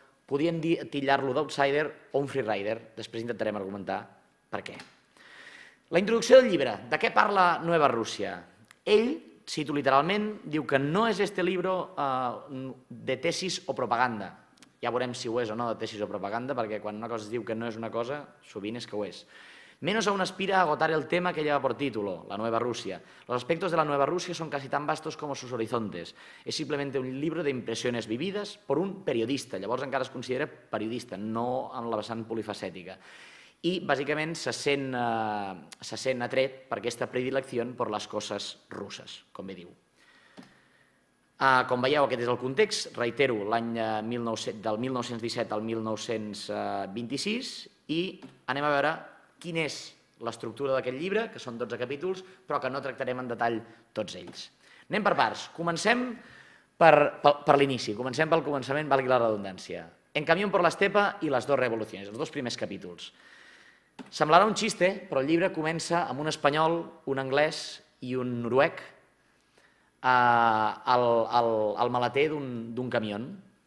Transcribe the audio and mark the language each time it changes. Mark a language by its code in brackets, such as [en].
[ca] Podríem titllar-lo d'outsider o un freerider, després intentarem argumentar per què. La introducció del llibre, de què parla Nueva Rússia? Ell, cito literalment, diu que no és [es] este libro de tesis o propaganda. [ca] Ja veurem si ho és o no, [es] de tesis o propaganda, [ca] perquè quan una cosa es diu que no és una cosa, sovint és que ho és. [es] Menos aún aspira a agotar el tema que lleva por título, la Nueva Rusia. Los aspectos de la Nueva Rusia son casi tan vastos como sus horizontes. Es simplemente un libro de impresiones vividas por un periodista. [ca] Llavors encara es considera periodista, no en la vessant polifacètica. I, bàsicament, se sent atret per aquesta predilecció per les coses russes, com bé diu. Com veieu, aquest és el context. Reitero, l'any del 1917 al 1926. I anem a veure quina és l'estructura d'aquest llibre, que són 12 capítols, però que no tractarem en detall tots ells. Anem per parts. Comencem per l'inici. Comencem pel començament, valgui la redundància. [es] En camión por la estepa y las dos revoluciones, [ca] els dos primers capítols. Semblarà un xiste, però el llibre comença amb un espanyol, un anglès i un noruec al maleter d'un camión.